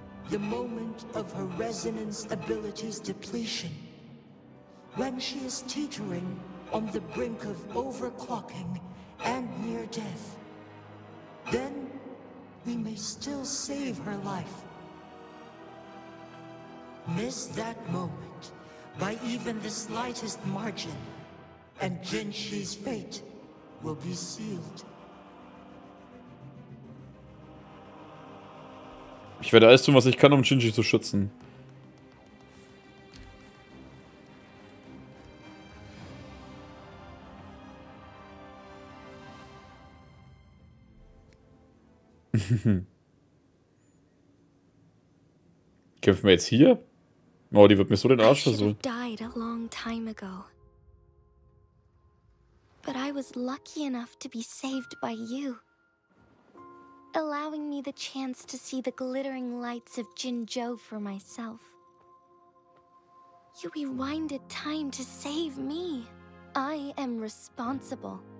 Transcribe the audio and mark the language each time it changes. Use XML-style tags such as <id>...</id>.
<en>The moment of her resonance ability's depletion, when she is teetering on the brink of overclocking and near death, then we may still save her life. Miss that moment by even the slightest margin, and Jinshi's fate will be sealed.</en> <de>Ich werde alles tun, was ich kann, um Jinshi zu schützen. Kämpfen wir jetzt hier? Oh, die wird mir so den Arsch versuchen.</de> <en>But I was lucky enough to be saved by you. Allowing me the chance to see the glittering lights of Jinzhou for myself. You rewinded time to save me. I am responsible.</en>